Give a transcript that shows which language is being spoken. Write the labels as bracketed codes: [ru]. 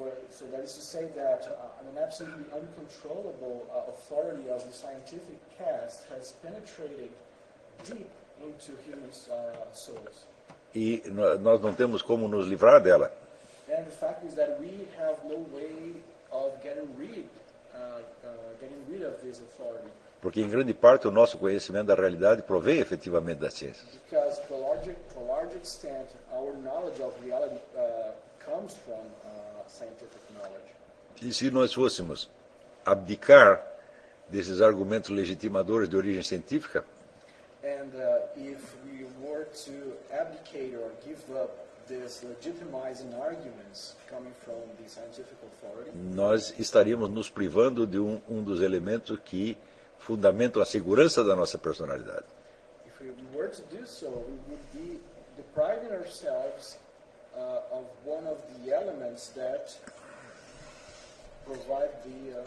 [en] So that is to say that an absolutely uncontrollable authority of the scientific caste has penetrated deep into human souls. [pt] E nós não temos como nos livrar dela. [en] And the fact is that we have no way of getting rid of this authority. [pt] Porque em grande parte o nosso conhecimento da realidade provém efetivamente da ciência. [en] Because to a large extent our knowledge of reality comes from scientific knowledge. [pt] E se nós fôssemos abdicar desses argumentos legitimadores de origem científica? [en] And if we were to abdicate or give up these legitimizing arguments coming from the scientific authority, [pt] nós estaríamos nos privando de um dos elementos que fundamentam a segurança da nossa personalidade. [en] If we were to do so, we would be depriving ourselves of one of the elements that provide